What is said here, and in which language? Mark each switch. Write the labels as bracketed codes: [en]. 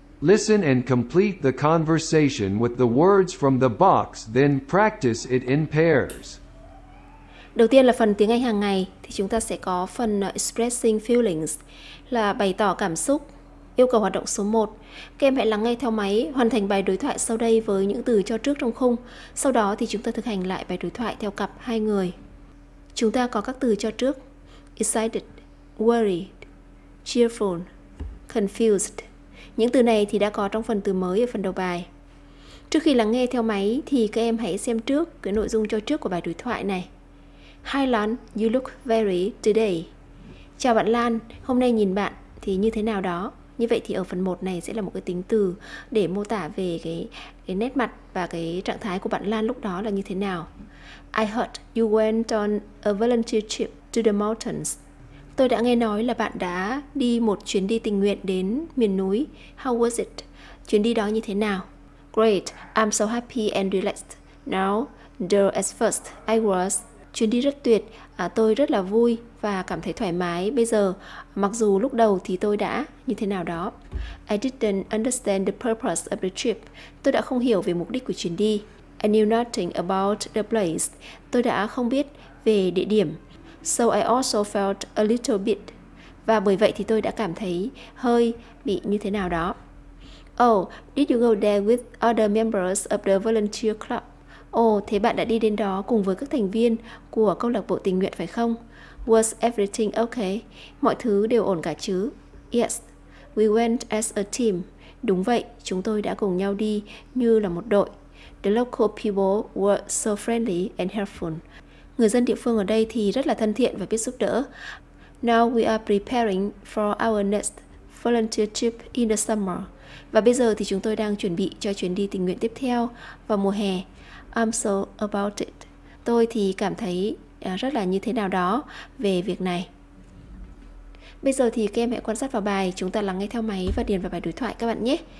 [en] Listen and complete the conversation with the words from the box, then practice it in pairs. [vi] Đầu tiên là phần tiếng Anh hàng ngày, thì chúng ta sẽ có phần [en] expressing feelings, [vi] là bày tỏ cảm xúc. Yêu cầu hoạt động số 1, các em hãy lắng nghe theo máy, hoàn thành bài đối thoại sau đây với những từ cho trước trong khung. Sau đó thì chúng ta thực hành lại bài đối thoại theo cặp hai người. Chúng ta có các từ cho trước: [en] excited, worried, cheerful, confused. [vi] Những từ này thì đã có trong phần từ mới ở phần đầu bài. Trước khi lắng nghe theo máy thì các em hãy xem trước cái nội dung cho trước của bài đối thoại này. [en] Hi Lan, you look very today. [vi] Chào bạn Lan, hôm nay nhìn bạn thì như thế nào đó. Như vậy thì ở phần 1 này sẽ là một cái tính từ để mô tả về cái nét mặt và cái trạng thái của bạn Lan lúc đó là như thế nào. [en] I heard you went on a volunteer trip to the mountains. [vi] Tôi đã nghe nói là bạn đã đi một chuyến đi tình nguyện đến miền núi. [en] How was it? [vi] Chuyến đi đó như thế nào? [en] Great, I'm so happy and relaxed. Now, though at first I was. [vi] Chuyến đi rất tuyệt, tôi rất là vui và cảm thấy thoải mái bây giờ. Mặc dù lúc đầu thì tôi đã như thế nào đó. [en] I didn't understand the purpose of the trip. [vi] Tôi đã không hiểu về mục đích của chuyến đi. [en] I knew nothing about the place. [vi] Tôi đã không biết về địa điểm. [en] So I also felt a little bit. [vi] Và bởi vậy thì tôi đã cảm thấy hơi bị như thế nào đó. [en] Oh, did you go there with other members of the volunteer club? [vi] Oh, thế bạn đã đi đến đó cùng với các thành viên của câu lạc bộ tình nguyện phải không? [en] Was everything okay? [vi] Mọi thứ đều ổn cả chứ? [en] Yes, we went as a team. [vi] Đúng vậy, chúng tôi đã cùng nhau đi như là một đội. [en] The local people were so friendly and helpful. [vi] Người dân địa phương ở đây thì rất là thân thiện và biết giúp đỡ. [en] Now we are preparing for our next volunteer trip in the summer. [vi] Và bây giờ thì chúng tôi đang chuẩn bị cho chuyến đi tình nguyện tiếp theo vào mùa hè. [en] I'm so about it. [vi] Tôi thì cảm thấy rất là như thế nào đó về việc này. Bây giờ thì các em hãy quan sát vào bài, chúng ta lắng nghe theo máy và điền vào bài đối thoại các bạn nhé.